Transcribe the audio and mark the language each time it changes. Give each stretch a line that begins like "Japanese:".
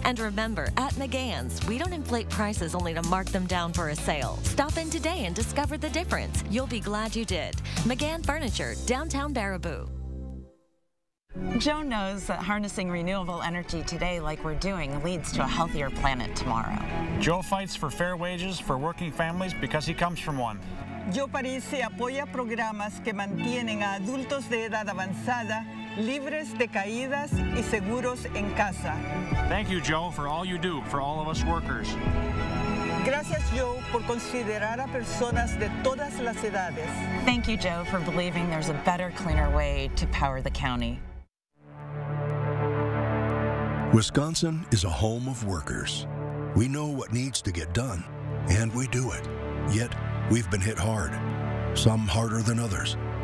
English: And remember, at McGann's, we don't inflate prices only to mark them down for a sale. Stop in today and discover the difference. You'll be glad you did. McGann Furniture, downtown Baraboo. Joan knows that harnessing renewable energy today like we're doing leads to a healthier planet tomorrow. Joe fights for fair wages for working families because he comes from one.
Spanish: Joe Parisi apoya programas que mantienen a adultos de edad avanzada libres de caídas y seguros en casa.
English: Thank you, Joe, for all you do for all of us workers.
Spanish: Gracias, Joe, por considerar a personas de todas las edades.
English: Thank you, Joe, for believing there's a better, cleaner way to power the county. Wisconsin is a home of workers. We know what needs to get done, and we do it. Yet, we've been hit hard, some harder than others.